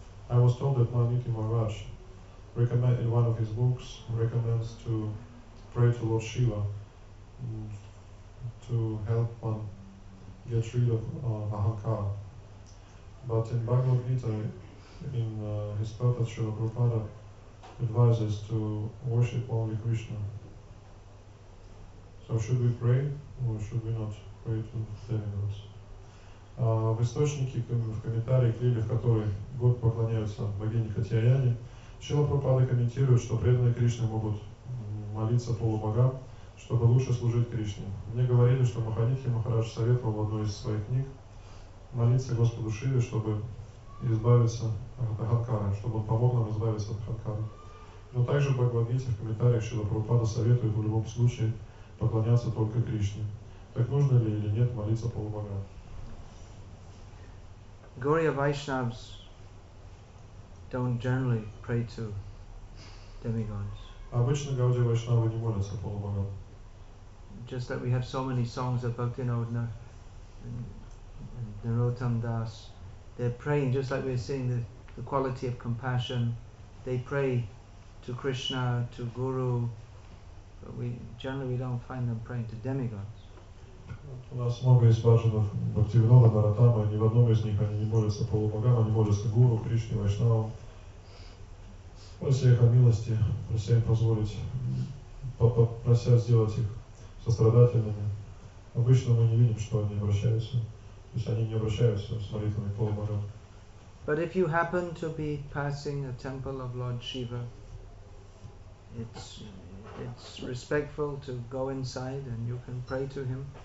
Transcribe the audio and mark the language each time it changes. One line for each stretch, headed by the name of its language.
English: I was told that Maniti Maharaj in one of his books recommends to pray to Lord Shiva to help one get rid of ahankar. But in Bhagavad Gita, in his purpose, Srila Prabhupada advises to worship only Krishna. So should we pray or should we not pray to the demigods?
Russian: В источнике, в комментарии к Лиле, в которой год поклоняются богине Катьяяне, Шрила Прабхупада комментирует, что преданные Кришне могут молиться полубогам, чтобы лучше служить Кришне. Мне говорили, что Маханитхи Махарадж советовал в одной из своих книг молиться Господу Шиве, чтобы избавиться от ахатхары, чтобы он помог нам избавиться от ахатхары. Но также в Бхагавад-гите в комментариях Шрила Прабхупада советует в любом случае поклоняться только Кришне. Так нужно ли или нет молиться полубогам?
English: Gaurīya Vaiṣṇavas don't generally pray to demigods.
Russian: Обычно Гаудия Вайшнавы не молятся полубогам.
English: Just that we have so many songs of Bhaktivinoda and Narottam Das, they're praying, just like we're seeing the quality of compassion, they pray to Krishna, to Guru, but we generally don't find them praying to demigods.
Russian: У нас много из баджанов Бхактивинода, Наратама, ни в одном из них они не молятся полубогам, они молятся Гуру, Кришне, Вайшнавам. Прося их о милости, прося им позволить, прося сделать их сострадательными. Обычно мы не видим, что они обращаются. То есть они не обращаются с молитвами к полубогам.
English: But if you happen to be passing a temple of Lord Shiva, it's respectful to go inside and you can pray to him.